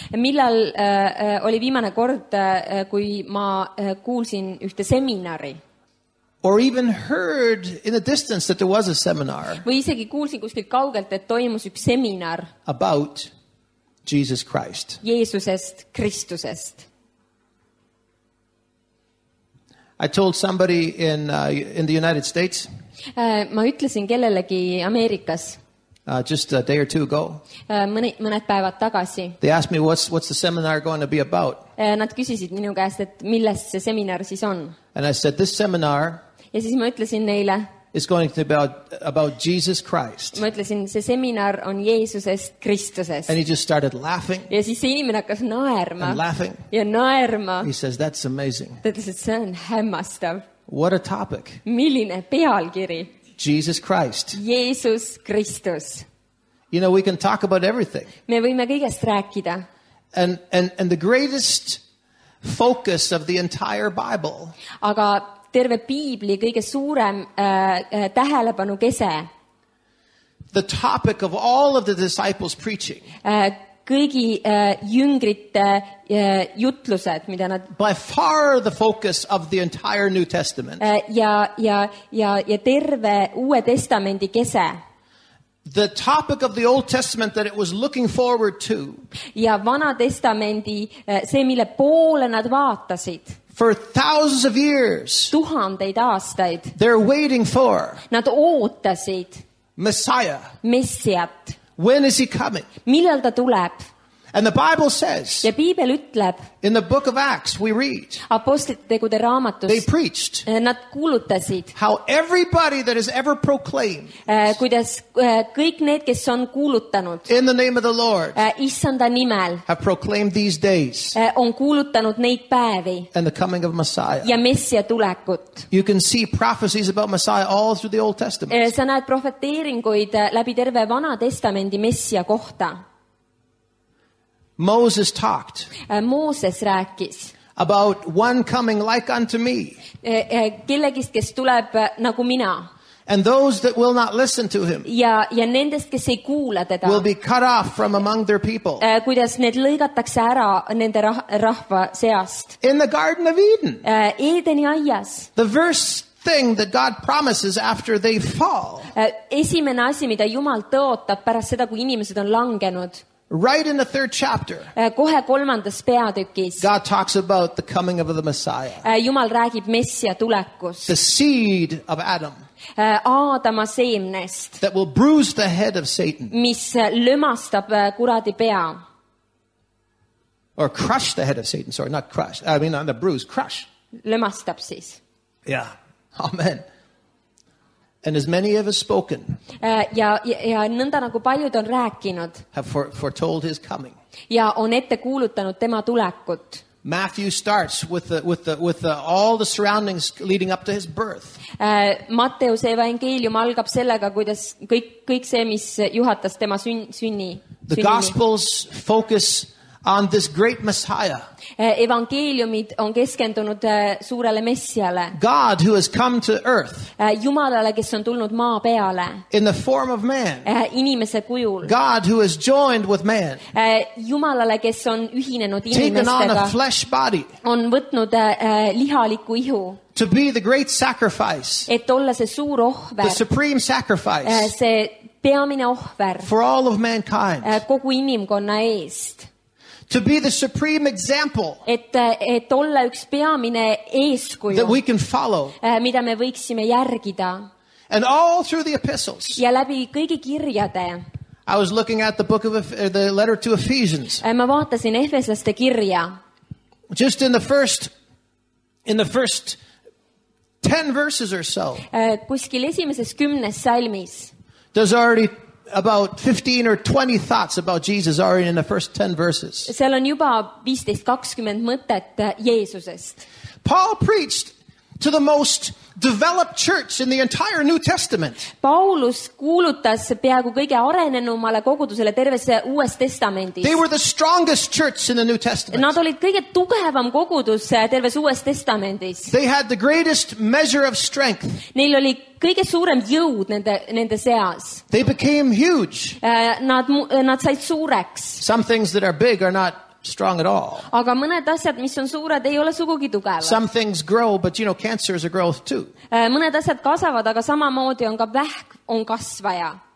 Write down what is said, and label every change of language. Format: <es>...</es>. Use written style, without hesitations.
<et>Millal oli viimane kord, kui ma kuulsin ühte seminari?</et> <en>Or even heard in the distance that there was a seminar.</en> <et>Või isegi kuulsin kuskil kaugelt, et toimus üks seminar.</et> <en>About Jesus Christ.</en> <et>Jeesusest Kristusest.</et> <en>I told somebody in the United States.</en> <et>Ma ütlesin kellelegi Ameerikas.</et> <en>Just a day or two ago.</en> <et>Mõned päevad tagasi.</et> <en>They asked me what's the seminar going to be about.</en> <et>Nad küsisid minu käest, et millest see seminar siis on.</et> <en>And I said this seminar.</en> <et>Ja siis ma ütlesin neile.</et> <en>It's going to be about Jesus Christ.</en> <et>Ma ütlesin, see seminar on Jeesusest Kristusest.</et> <en>And he just started laughing.</en> <et>Ja siis see inimene hakkas naerma.</et> <en>And laughing.</en> <et>Ja naerma.</et> <en>He says, that's amazing.</en> <et>Ta ütles, et see on hämmastav.</et> <en>What a topic.</en> <et>Milline pealkiri.</et> <en>Jesus Christ.</en> <et>Jeesus Kristus.</et> <en>You know, we can talk about everything.</en> <et>Me võime kõigest rääkida.</et> <en>And the greatest focus of the entire Bible.</en> <et>Aga terve piibli kõige suurem tähelepanu kese.</et> <en>The topic of all of the disciples preaching.</en> <et>Kõigi jüngrite jutlused, mida nad</et> <en>by far the focus of the entire New Testament.</en> <et>Ja terve Uue Testamendi kese.</et> <en>The topic of the Old Testament that it was looking forward to.</en> <et>Ja Vana Testamendi see, mille poole nad vaatasid.</et> <en>For thousands of years.</en> <et>Tuhandeid aastaid.</et> <en>They're waiting for.</en> <et>Nad ootasid.</et> <en>Messiah.</en> <et>Messiat.</et> <en>When is he coming?</en> <et>Millal ta tuleb?</et> <en>And the Bible says.</en> <et>Ja Piibel ütleb.</et> <en>In the book of Acts we read.</en> <et>Apostlitegude raamatus.</et> <en>They preached.</en> <et>Nad kuulutasid.</et> <en>How everybody that has ever proclaimed.</en> <et>Kuidas kõik need, kes on kuulutanud.</et> <en>In the name of the Lord.</en> <et>Issanda nimel.</et> <en>Have proclaimed these days.</en> <et>On kuulutanud neid päevi.</et> <en>And the coming of Messiah.</en> <et>Ja Messia tulekut.</et> <en>You can see prophecies about Messiah all through the Old Testament.</en> <et>Sa näed profeteeringuid läbi terve Vana Testamendi Messia kohta.</et> <en>Moses talked.</en> <et>Mooses rääkis.</et> <en>About one coming like unto me.</en> <et>Kellegist, kes tuleb nagu mina.</et> <en>And those that will not listen to him.</en> <et>Ja nendest, kes ei kuula teda.</et> <en>Will be cut off from among their people.</en> <et>Kuidas need lõigatakse ära nende rahva seast.</et> <en>In the Garden of Eden.</en> <et>Edeni aias.</et> <en>The verse thing that God promises after they fall.</en> <et>Esimene asi, mida Jumal tõotab pärast seda, kui inimesed on langenud.</et> <en>Right in the third chapter.</en> <et>Kohe kolmandas peatükis.</et> <en>God talks about the coming of the Messiah.</en> <et>Jumal räägib Messia tulekust.</et> <en>The seed of Adam.</en> <et>Aadama seemnest.</et> <en>That will bruise the head of Satan.</en> <et>Mis lömastab kuradi pea.</et> <en>Or crush the head of Satan, sorry, not crush. I mean on the bruise, crush.</en> <et>Lömastab siis.</et> <en>Yeah. Amen. And as many have spoken.</en> <et>Ja nõnda nagu paljud on rääkinud.</et> <en>Have foretold his coming.</en> <et>Ja on ette kuulutanud tema tulekut.</et> <en>Matthew starts with the all the surroundings leading up to his birth.</en> <et>Matteuse evangeelium algab sellega, kuidas kõik see, mis juhatas tema sünni.</et> <en>The gospels focus on this great Messiah.</en> <et>Evangeeliumid on keskendunud suurele messiale.</et> <en>God who has come to earth.</en> <et>Jumalale, kes on tulnud maa peale.</et> <en>In the form of man.</en> <et>Inimese kujul.</et> <en>God who is joined with man.</en> <et>Jumalale, kes on ühinenud inimestega.</et> <en>Taken on a flesh body.</en> <et>On võtnud lihaliku ihu.</et> <en>To be the great sacrifice.</en> <et>Et olla see suur ohver.</et> <en>The supreme sacrifice.</en> <et>See peamine ohver.</et> <en>For all of mankind.</en> <et>Kogu inimkonna eest.</et> <en>To be the supreme example.</en> <et>Et olla üks peamine eeskuju.</et> <en>That we can follow.</en> <et>Mida me võiksime järgida.</et> <en>And all through the epistles.</en> <et>Ja läbi kõigi kirjade.</et> <en>I was looking at the book of the letter to Ephesians.</en> <et>Ma vaatasin Efesaste kirja.</et> <en>Just in the first 10 verses or so.</en> <et>Kuskil esimeses 10 salmis.</et> <en>There's already about 15 or 20 thoughts about Jesus already in the first 10 verses.</en> <et>Seal on juba 15-20 mõtet Jeesusest.</et> <en>Paul preached to the most developed church in the entire New Testament.</en> <et>Paulus kuulutas peaaegu kõige arenenumale kogudusele tervesse Uues Testamendis.</et> <en>They were the strongest church in the New Testament.</en> <et>Nad olid kõige tugevam kogudus tervesse Uues Testamendis.</et> <en>They had the greatest measure of strength.</en> <et>Neil oli kõige suurem jõud nende seas.</et> <en>They became huge.</en> <et>Nad said suureks.</et> <en>Some things that are big are not strong at all.</en> <et>Aga mõned asjad, mis on suured, ei ole sugugi tugevad.</et> <en>Some things grow, but you know, cancer is a growth too.</en> <et>Mõned asjad kasvavad, aga samamoodi on ka vähk on kasvaja.</et>